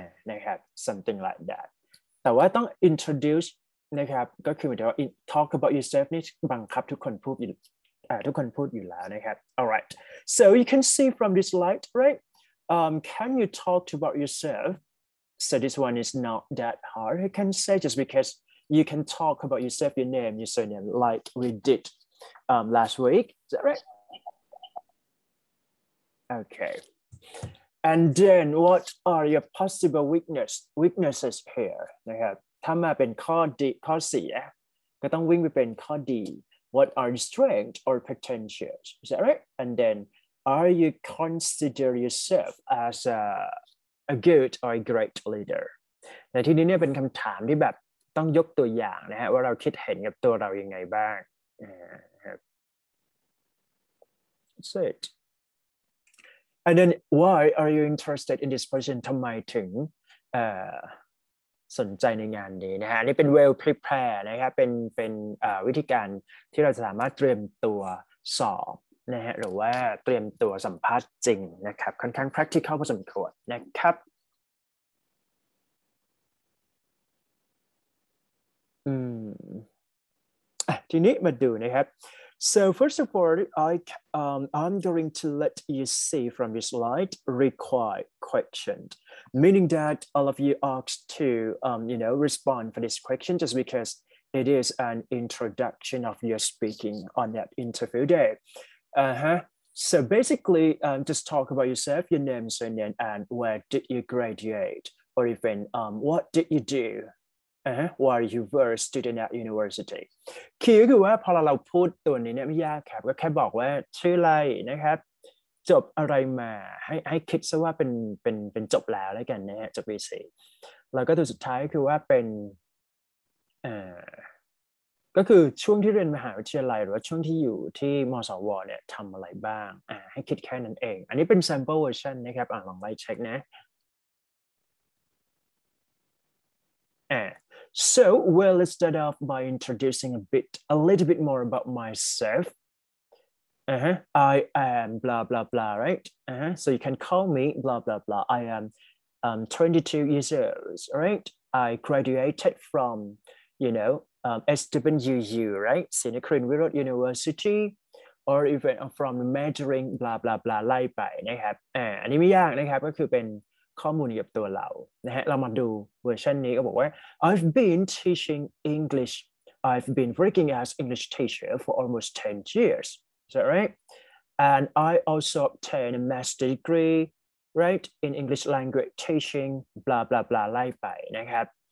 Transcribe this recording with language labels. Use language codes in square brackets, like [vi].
[en] นะครับ something like that แต่ว่าต้อง introduce นะครับก็คือหมายถึงว่า talk about yourself [th] นี่บังคับทุกคนพูดทุกคนพูดอยู่แล้วนะครับ [en] alright so you can see from this slide right can you talk about yourself so this one is not that hard you can say just because you can talk about yourself your name your surname like we didlast week, is that right? Okay. And then, what are your possible weaknesses here? [th] นะครับ ถ้ามาเป็นข้อดีข้อเสีย ก็ต้องวิ่งไปเป็นข้อดี [en] What are your strengths or potentials? Is that right? And then, are you consider yourself as a good or a great leader? [th] ในที่นี้เนี่ยเป็นคำถามที่แบบต้องยกตัวอย่างนะฮะว่าเราคิดเห็นกับตัวเรายังไงบ้าง [en] That's it. And then, why are you interested in this position? [th] ทำไมถึงสนใจในงานนี้นะฮะนี่เป็น well prepared นะครับเป็นวิธีการที่เราสามารถเตรียมตัวสอบนะฮะหรือว่าเตรียมตัวสัมภาษณ์จริงนะครับค่อนข้าง practical พอสมควรนะครับ ทีนี้มาดูนะครับ [en] So first of all, I'm going to let you see from your slide required questions, meaning that all of you asked to, you know, respond for this question just because it is an introduction of your speaking on that interview day. So basically, just talk about yourself, your name, surname, and where did you graduate, or even what did you do? While you were a student at university. [th] คือก็คือว่าพอเราพูดตัวนี้เนี่ยไม่ยากครับก็แค่บอกว่าชื่ออะไรนะครับจบอะไรมาให้คิดซะว่าเป็นจบแล้วแล้วกันนะฮะจบปีสี่แล้วก็ตัวสุดท้ายคือว่าเป็น ก็คือช่วงที่เรียนมหาวิทยาลัยหรือว่าช่วงที่อยู่ที่มสวเนี่ยทำอะไรบ้างให้คิดแค่นั้นเองอันนี้เป็น sample version นะครับลองไปเช็คนะ [en] So, well, let's start off by introducing a little bit more about myself. I am blah, blah, blah, right? So you can call me blah, blah, blah. I am 22 years old, right? I graduated from, you know, SWU, right? Sino Korean World University, or even from measuring blah blah blah [th] ไล่ไปนะครับอันนี้ไม่ยากนะครับก็คือเป็นข้อมูลเกี่ยวกับตัวเรานะฮะเรามาดูเวอร์ชันนี้ก็บอกว่า [en] I've been teaching English I've been working as English teacher for almost 10 years is that right and I also obtained a master's degree right in English language teaching blah blah blah ไล่ไปนะครับ